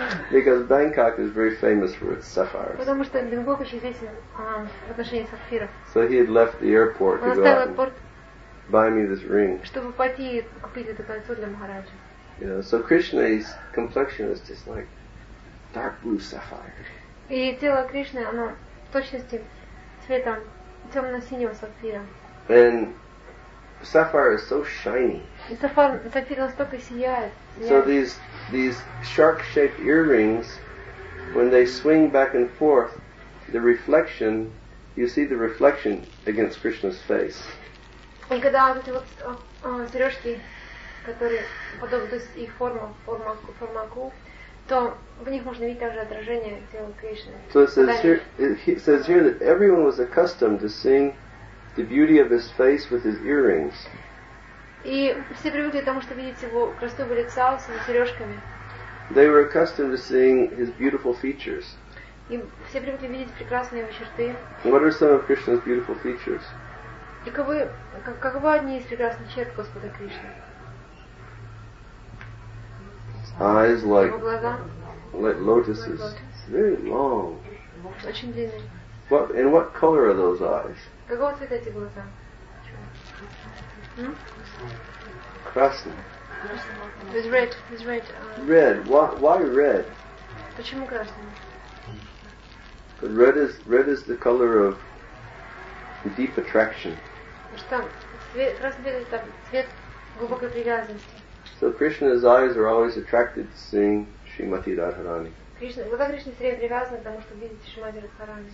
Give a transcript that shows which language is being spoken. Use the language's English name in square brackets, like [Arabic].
[English] Because Bangkok is very famous for its sapphires. [Russian] Потому что Бангкок очень известен в отношении сапфиров. [English] So he had left the airport to go out. Buy me this ring. [Russian] Чтобы пойти купить это кольцо для Махараджи. [English] You know, so Krishna's complexion is just like dark blue sapphire. [Russian] И тело Кришны, оно в точности цветом темно-синего сапфира. [English] And sapphire is so shiny. [Russian] И сапфир настолько сияет. [English] So these shark-shaped earrings, when they swing back and forth, the reflection, you see the reflection against Krishna's face. [Russian] И когда вот эти вот сережки, которые подобны их формаку, то в них можно видеть также отражение тела Кришны. [English] So it says here that everyone was accustomed to seeing the beauty of his face with his earrings. [Russian] И все привыкли к тому, чтобы видеть его красоту его лица с его сережками. [English] They were accustomed to seeing his beautiful features. [Russian] И все привыкли видеть прекрасные его черты. [English] What are some of Krishna's beautiful features? [Russian] И каковы одни из прекрасных черт Господа Кришны? [English] Eyes like, [Russian] его глаза, [English] like lotuses. Like lotus. Very long. [Russian] Очень длинные. [English] What, and what color are those eyes? [Russian] Какого цвета эти глаза? Красный. [English] It's red. Red. Why red? [Russian] Почему красный? [English] But red is the color of deep attraction. [Russian] Что? Красный цвет — это цвет глубокой привязанности. [English] So Krishna's eyes are always attracted to seeing Srimati Radharani. [Russian] Глаза Кришны все время привязаны к тому, чтобы видеть Шримати Радхарани.